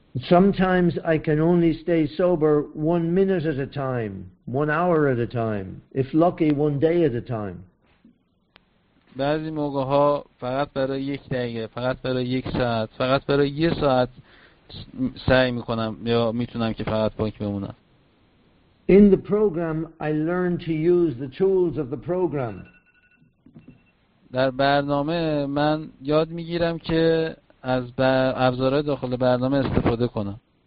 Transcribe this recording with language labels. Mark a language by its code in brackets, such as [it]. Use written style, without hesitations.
[en] Sometimes I can only stay sober 1 minute at a time, 1 hour at a time, if lucky 1 day at a time. [fa] بعضی موقع ها فقط برای یک دقیقه، فقط برای یک ساعت، فقط برای یک ساعت سعی میکنم یا میتونم که فقط پاک بمونم. [en] In the program I learned to use the tools of the program. [fa] در برنامه من یاد میگیرم که از ابزارهای داخل برنامه استفاده کنم.